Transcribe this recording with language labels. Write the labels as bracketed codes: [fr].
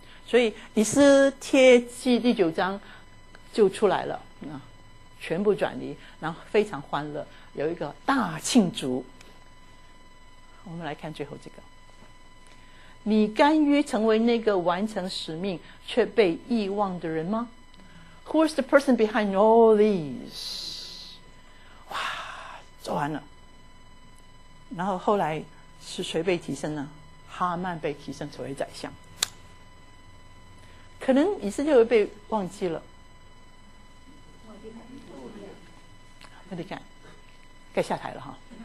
[zh] 所以以斯帖记第九章就出来了，全部转移，然后非常欢乐，有一个大庆祝。我们来看最后这个，你甘于成为那个完成使命却被遗忘的人吗？ [en] Who is the person behind all these? [zh] 哇，做完了，然后后来是谁被提升呢？哈曼被提升成为宰相。可能以色列会被忘记了，莫迪凯该下台了哈。